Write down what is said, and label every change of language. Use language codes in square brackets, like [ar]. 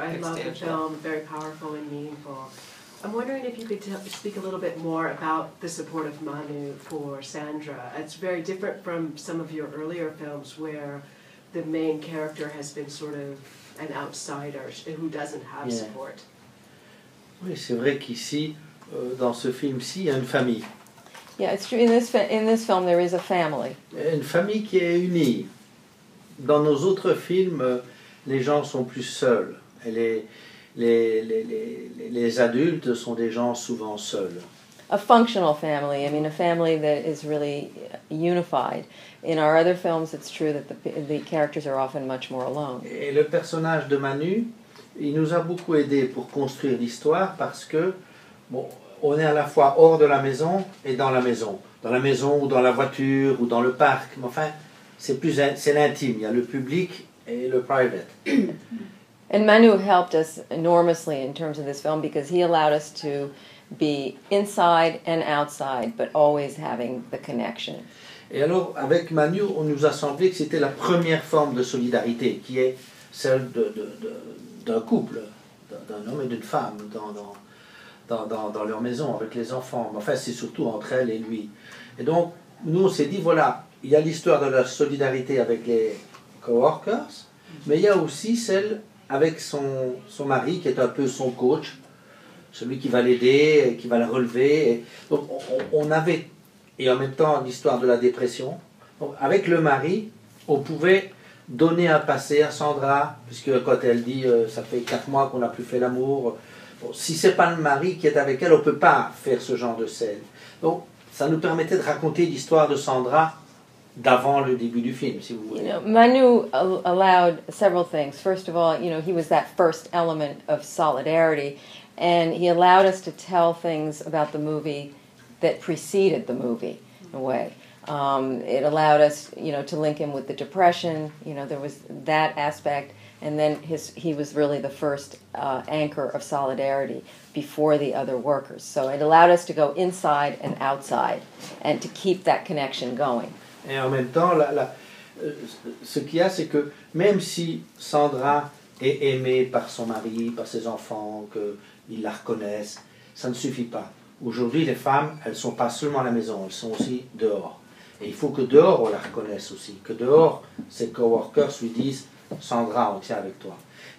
[en] I love the film, very powerful and meaningful. I'm wondering if you could speak a little bit more about the support of Manu for Sandra. It's very different from some of your earlier films where the main character has been sort of an outsider who doesn't have support. [fr] Oui, c'est vrai qu'ici, dans ce film-ci, il y a une famille. [en] Yeah, it's true. In this film, there is a family. [fr] Une famille qui est unie. Dans nos autres films, les gens sont plus seuls. Et les adultes sont des gens souvent seuls. [en] A functional family. I mean, a family that is really unified. In our other films, it's true that the characters are often much more alone. [fr] Et le personnage de Manu, il nous a beaucoup aidé pour construire l'histoire parce que, bon, on est à la fois hors de la maison et dans la maison. Dans la maison ou dans la voiture ou dans le parc. Mais enfin, c'est l'intime. Il y a le public et le private. [en] And Manu helped us enormously in terms of this film because he allowed us to be inside and outside, but always having the connection. [fr] Et alors, avec Manu, on nous a semblé que c'était la première forme de solidarité, qui est celle d'un couple, d'un homme et d'une femme, dans leur maison, avec les enfants. Enfin, c'est surtout entre elle et lui. Et donc, nous, on s'est dit, voilà, il y a l'histoire de la solidarité avec les co-workers, mais il y a aussi celle avec son mari qui est un peu son coach, celui qui va l'aider, qui va la relever. Et donc on avait, et en même temps l'histoire de la dépression, donc avec le mari, on pouvait donner un passé à Sandra, puisque quand elle dit ça fait 4 mois qu'on n'a plus fait l'amour, bon, si c'est pas le mari qui est avec elle, on peut pas faire ce genre de scène. Donc ça nous permettait de raconter l'histoire de Sandra d'avant le début du film, si vous voulez. [en] You know, Manu allowed several things. First of all, you know, he was that first element of solidarity, and he allowed us to tell things about the movie that preceded the movie, in a way. It allowed us, you know, to link him with the depression. You know, there was that aspect, and then he was really the first anchor of solidarity before the other workers. So it allowed us to go inside and outside, and to keep that connection going. [fr] Et en même temps, ce qu'il y a, c'est que même si Sandra est aimée par son mari, par ses enfants, qu'ils la reconnaissent, ça ne suffit pas. Aujourd'hui, les femmes, elles ne sont pas seulement à la maison, elles sont aussi dehors. Et il faut que dehors, on la reconnaisse aussi. Que dehors, ses coworkers lui disent « Sandra, on tient avec toi ».